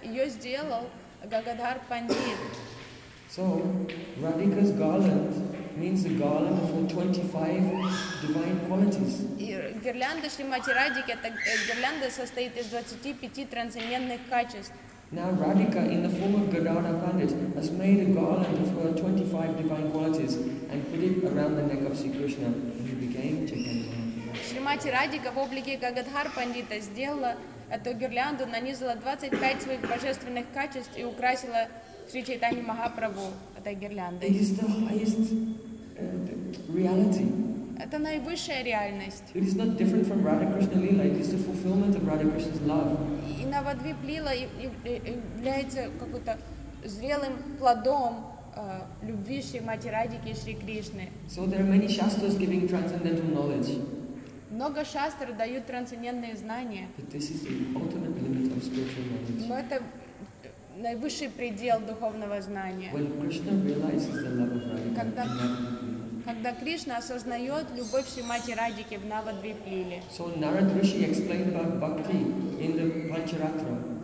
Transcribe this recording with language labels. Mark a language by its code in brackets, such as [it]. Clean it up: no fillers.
[ru] Ее сделал Гагадхар Пандит. [en] So, Radhika's garland means a garland for 25 divine qualities. [ru] Гирлянда Шримати Радики, это гирлянда состоит из 25 трансцендентных качеств. [en] Now Radhika, in the form of Gadadhar Pandit, has made a garland of her 25 divine qualities and put it around the neck of Sri Krishna, and he became Chaitanya. [ru] Шримати Радика в облике Гагадхар Пандита сделала эту гирлянду, нанизала 25 своих божественных качеств и украсила Шри Чайтанья Махапрабху этой гирляндой. [en] It is the highest reality. [ru] Это наивысшая реальность. [en] It is not different from Radha Krishna Lila. It is the fulfillment of Radha Krishna's love. [ru] И Навадвип Лила является какой-то зрелым плодом любви Шримати Радики и Шри Кришны. [en] So there are many shastras giving transcendental knowledge. [ru] Много шастр дают трансцендентные знания. [en] But this is the ultimate limit of spiritual knowledge. [ru] Но это наивысший предел духовного знания. [en] When Krishna realizes the love of Radhika, [ru] когда Кришна осознает любовь Шримати Радики в Навадвип Лиле. [en] So Narad Rishi explained about bhakti in the Pancharatra.